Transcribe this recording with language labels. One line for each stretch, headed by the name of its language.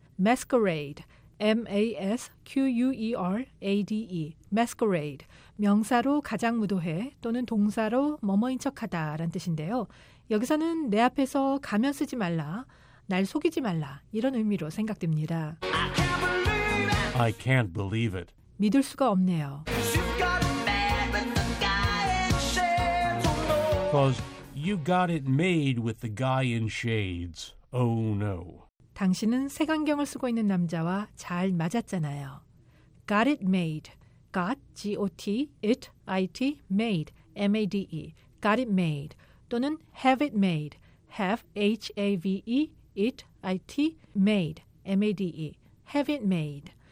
English: Masquerade. M-A-S-Q-U-E-R-A-D-E. Masquerade.
Korean: 명사로 가장 무도회 또는 동사로 뭐뭐인 척하다 라는 뜻인데요. 여기서는 내 앞에서 가면 쓰지 말라, 날 속이지 말라 이런 의미로 생각됩니다.
English: I can't believe it.
Korean: 믿을 수가 없네요.
English: Because you got it made with the guy in shades. Oh no.
Korean: 당신은 색안경을 쓰고 있는 남자와 잘 맞았잖아요.
English: Got it made. Got, G-O-T, it, I-T, made, M-A-D-E. Got it made. 또는 have it made. Have, H-A-V-E, it, I-T, made, M-A-D-E. Have it made.